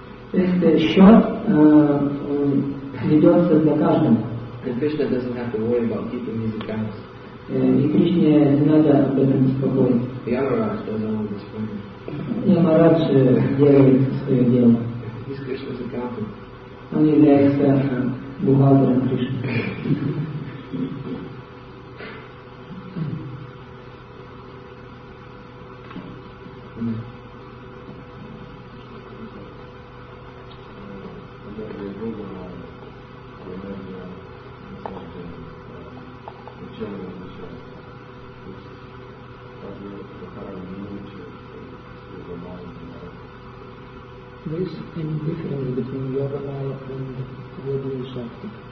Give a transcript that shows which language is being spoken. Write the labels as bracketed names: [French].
[Russian] То есть счет ведется для каждого. [English] And Krishna doesn't have to worry about keeping these accounts. [Russian] И Кришне не надо об этом беспокоиться. [English] Ямарадж does all this for him. [Russian] Ямарадж делает свое дело. [English] He's Krishna's accountant. [Russian] Он является бухгалтером Кришны. Когда я был на самом деле, в начале, то есть, как бы, по характеру, не лучше, [English] this any difference between yoga maya and Vedic Shakti?